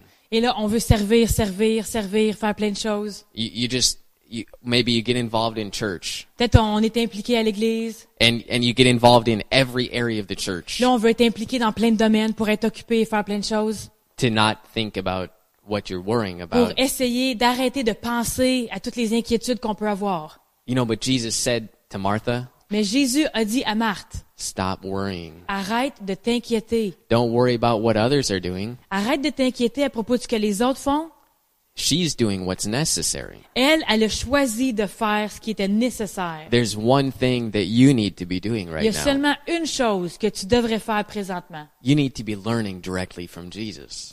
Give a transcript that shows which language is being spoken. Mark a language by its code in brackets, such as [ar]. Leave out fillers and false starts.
[fr] Et là, on veut servir, faire plein de choses. [en] Maybe you get involved in church. [fr] Peut-être on est impliqué à l'église. [en] And you get involved in every area of the church. [fr] Là, on veut être impliqué dans plein de domaines pour être occupé et faire plein de choses. [en] To not think about what you're worrying about. [fr] Pour essayer d'arrêter de penser à toutes les inquiétudes qu'on peut avoir. [en] You know, but Jesus said to Martha. [fr] Mais Jésus a dit à Marthe, [en] stop worrying. [fr] Arrête de t'inquiéter. [en] Don't worry about what others are doing. [fr] Arrête de t'inquiéter à propos de ce que les autres font. [en] She's doing what's necessary. [fr] Elle, elle a choisi de faire ce qui était nécessaire. [en] There's one thing that you need to be doing right now. [fr] Il y a seulement une chose que tu devrais faire présentement. [en] You need to be learning directly from Jesus.